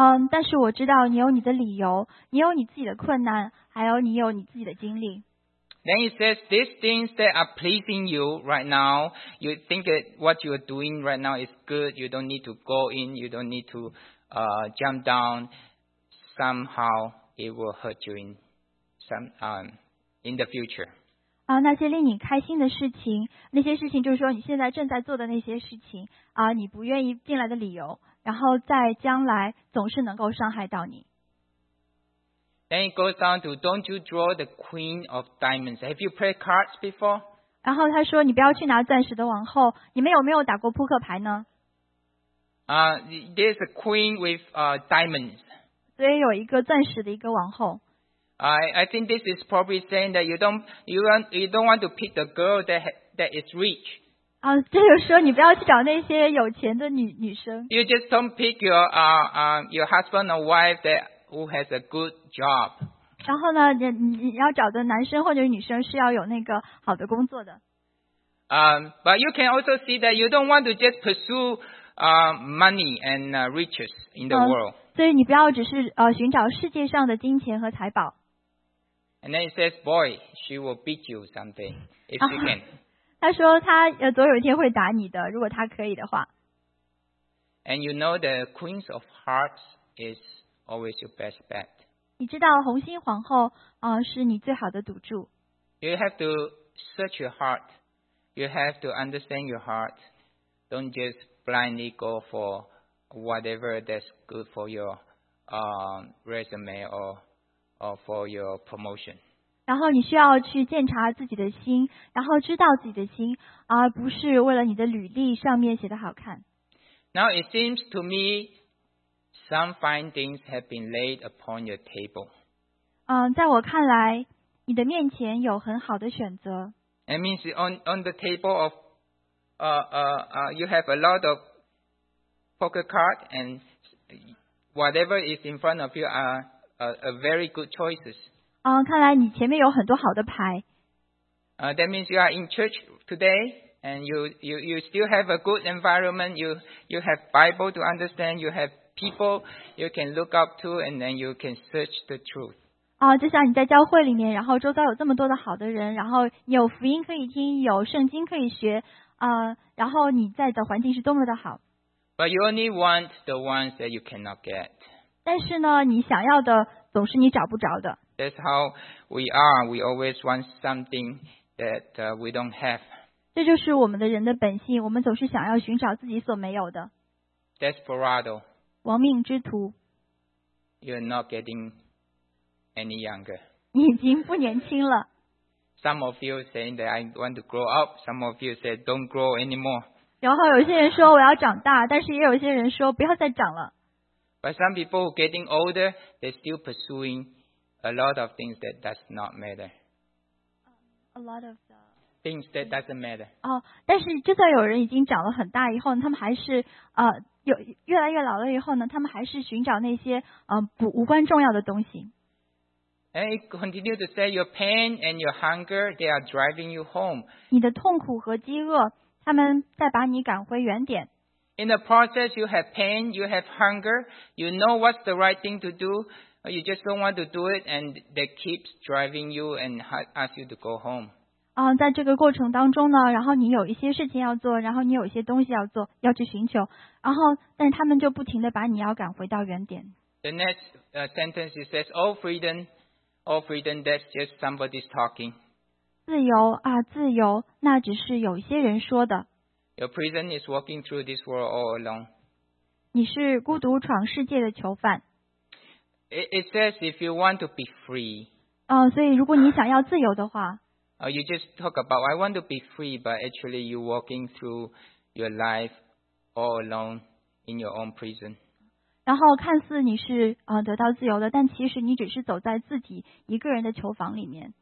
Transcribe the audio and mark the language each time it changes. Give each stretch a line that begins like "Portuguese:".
Chinese: 但是我知道你有你的理由，你有你自己的困难，还有你有你自己的经历。
English: Then he says, these things that are pleasing you right now, you think that what you are doing right now is good, you don't need to go in, you don't need to jump down, somehow it will hurt you in the future.
Chinese: 那些令你开心的事情，那些事情就是说你现在正在做的那些事情，你不愿意进来的理由。然后在将来总是能够伤害到你。
English: Then it goes on to, don't you draw the Queen of Diamonds? Have you played cards before?
Chinese: 然后他说，你不要去拿钻石的王后。你们有没有打过扑克牌呢？
English: There's a Queen with diamonds.
Chinese: 所以有一个钻石的一个王后。
English: I think this is probably saying that you don't want to pick the girl that is rich.
Chinese: 这就是说你不要去找那些有钱的女生。
English: You just don't pick your husband or wife that who has a good job.
Chinese: 然后呢，你要找的男生或者女生是要有那个好的工作的。
English: But you can also see that you don't want to just pursue money and riches in the world.
Chinese: 所以你不要只是寻找世界上的金钱和财宝。
English: And then he says, "Boy, she will beat you someday if she can."
Chinese: 他说他总有一天会打你的，如果他可以的话。
English: And you know the Queen of Hearts is always your best bet.
Chinese: 你知道红心皇后是你最好的赌注。
English: You have to search your heart. You have to understand your heart. Don't just blindly go for whatever that's good for your resume or for your promotion.
Chinese: 然后你需要去检查自己的心，然后知道自己的心，而不是为了你的履历上面写的好看。
English: Now it seems to me some findings have been laid upon your table.
Chinese: 在我看来，你的面前有很好的选择。
English: That means on the table of you have a lot of poker card and whatever is in front of you are a very good choices.
Chinese: 看来你前面有很多好的牌。
English: That means you are in church today. And you still have a good environment. You have Bible to understand. You have people you can look up to, and then you can search the truth.
Chinese: 就像你在教会里面，然后周遭有这么多的好的人，然后有福音可以听，有圣经可以学，然后你在的环境是多么的好。
English: But you only want the ones that you cannot get.
Chinese: 但是呢，你想要的总是你找不着的。
English: That's how we are. We always want something that we don't have.
Chinese: 这就是我们的人的本性，我们总是想要寻找自己所没有的。
English: Desperado，
Chinese: 亡命之徒。
English: You're not getting any younger。
Chinese: 你已经不年轻了。
English: Some of you saying that I want to grow up. Some of you said don't grow anymore。
Chinese: 然后有些人说我要长大，但是也有些人说不要再长了。
English: But some people getting older, they're still pursuing a lot of things that does not matter. Things that doesn't matter.
Chinese: 但是就算有人已经长了很大以后，他们还是越来越老了以后呢，他们还是寻找那些不无关重要的东西。
English: And it continues to say your pain and your hunger, they are driving you home.
Chinese: 你的痛苦和饥饿，他们在把你赶回原点。
English: In the process, you have pain, you have hunger, you know what's the right thing to do, but you just don't want to do it, and that keeps driving you and ask you to go home.
Chinese: 在这个过程当中呢，然后你有一些事情要做，然后你有一些东西要做，要去寻求，然后但他们就不停地把你要赶回到原点。
English: The next sentence it says, all freedom, that's just somebody's talking.
Chinese: 自由啊，自由，那只是有一些人说的。
English: Your prison is walking through this world all alone.
Chinese: 你是孤独闯世界的囚犯。
English: It says if you want to be free.
Chinese: 所以如果你想要自由的话。
English: You just talk about, I want to be free, but actually you're walking through your life all alone in your own prison.
Chinese: 然后看似你是得到自由的，但其实你只是走在自己一个人的囚房里面。